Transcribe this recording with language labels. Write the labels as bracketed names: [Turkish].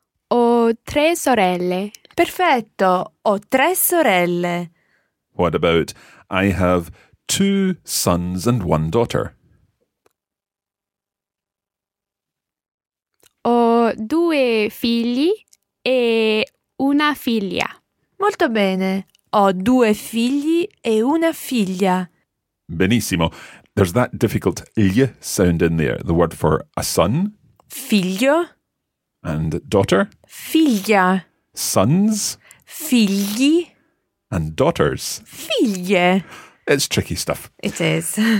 [Italian] Ho tre sorelle. Perfetto. Ho tre sorelle. [English] What about I have two sons and one daughter? [Italian] Ho due figli e una figlia. Molto bene. Ho due figli e una figlia. Benissimo. [English] There's that difficult ly sound in there. The word for a son? [Italian] Figlio. [English] And daughter? [Italian] Figlia. [English] Sons? [Italian] Figli. [English] And daughters? [Italian] Figlie. [English] It's tricky stuff. It is.